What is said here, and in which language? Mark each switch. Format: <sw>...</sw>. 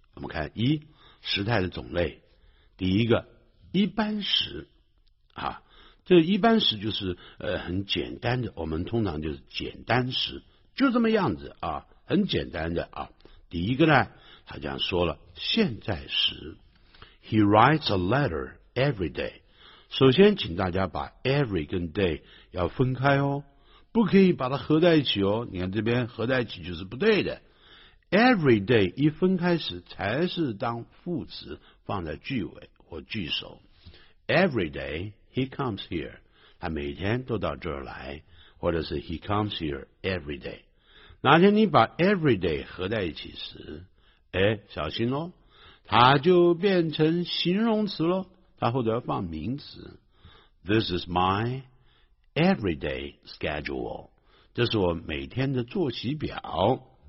<zh>我们看一，时态的种类，第一个一般时啊。这一般时就是很简单的，我们通常就是简单时，就这么样子啊，很简单的啊。第一个呢，他这样说了，现在时</zh> <en>He writes a letter every day.</en> <zh>首先请大家把 every 跟 day 要分开哦，不可以把它合在一起哦，你看这边合在一起就是不对的。</zh> <en>Every day</en> <zh>一分开时才是当副词放在句尾或句首。</zh> <en>Every day he comes here，</en> <zh>他每天都到这儿来，或者是</zh> <en>he comes here every day。</en> <zh>哪天你把</zh> <en>every day</en> <zh>合在一起时，哎，小心咯，它就变成形容词咯，它后头要放名词。</zh> <en>This is my everyday schedule，</en> <zh>这是我每天的作息表。</zh>